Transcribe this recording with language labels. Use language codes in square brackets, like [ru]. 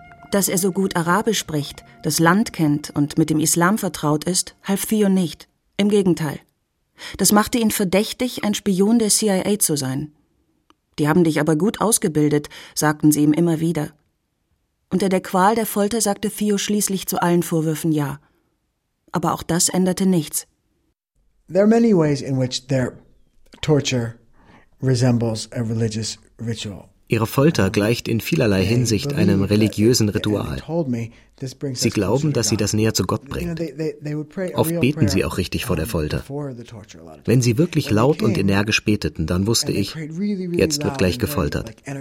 [de] Dass er so gut Arabisch spricht, das Land kennt und mit dem Islam vertraut ist, half Theo nicht. Im Gegenteil. Das machte ihn verdächtig, ein Spion der CIA zu sein. Die haben dich aber gut ausgebildet, sagten sie ihm immer wieder. Unter der Qual der Folter sagte Theo schließlich zu allen Vorwürfen ja. Aber auch das änderte nichts. [en] There are many ways in which their torture resembles a religious ritual. [de] Ihre Folter gleicht in vielerlei Hinsicht einem religiösen Ritual. Sie glauben, dass sie das näher zu Gott bringt. Oft beten sie auch richtig vor der Folter. Wenn sie wirklich laut und energisch beteten, dann wusste ich, jetzt wird gleich gefoltert.